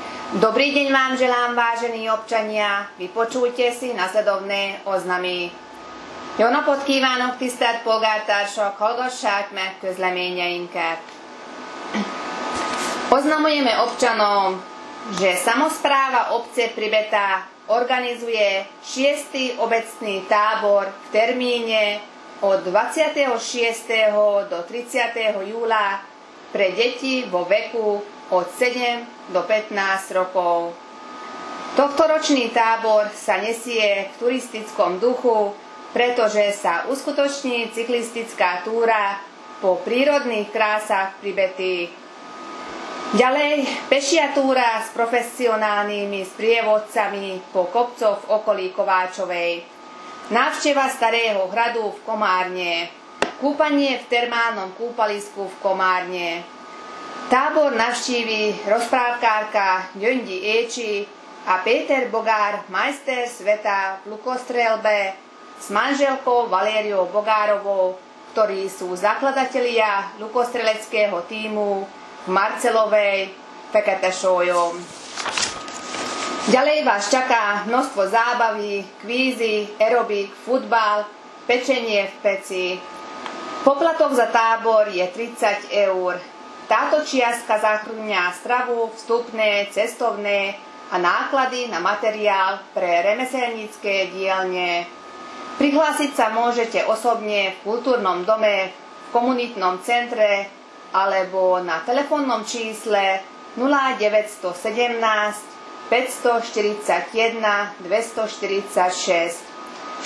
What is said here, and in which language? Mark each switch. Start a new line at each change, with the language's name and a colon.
Slovak: Dobrý deň vám želám, vážení občania. Vypočujte si nasledovné oznamy.
Hungarian: Jó napot kívánok, tisztelt polgártársak, hallgassák meg közleményeinket.
Slovak: Oznamujeme občanom, že samospráva obce Pribeta organizuje 6. obecný tábor v termíne od 26. do 30. júla pre deti vo veku od 7 do 15 rokov. Tohtoročný tábor sa nesie v turistickom duchu, pretože sa uskutoční cyklistická túra po prírodných krásach Pribety. Ďalej pešia túra s profesionálnymi sprievodcami po kopcoch v okolí Kováčovej. Návšteva starého hradu v Komárne. Kúpanie v termálnom kúpalisku v Komárne. Tábor navštíví rozprávkárka Gyöngyi Écsi a Péter Bogár, majster sveta v lukostrelbe s manželkou Valériou Bogárovou, ktorí sú zakladatelia lukostreleckého tímu v Marcelovej Fekete Sólyom. Ďalej vás čaká množstvo zábavy, kvízy, aerobik, futbal, pečenie v peci. Poplatok za tábor je 30 eur. Táto čiastka zahŕňa stravu, vstupné, cestovné a náklady na materiál pre remeselnícke dielne. Prihlásiť sa môžete osobne v kultúrnom dome, v komunitnom centre alebo na telefónnom čísle 0917 541 246.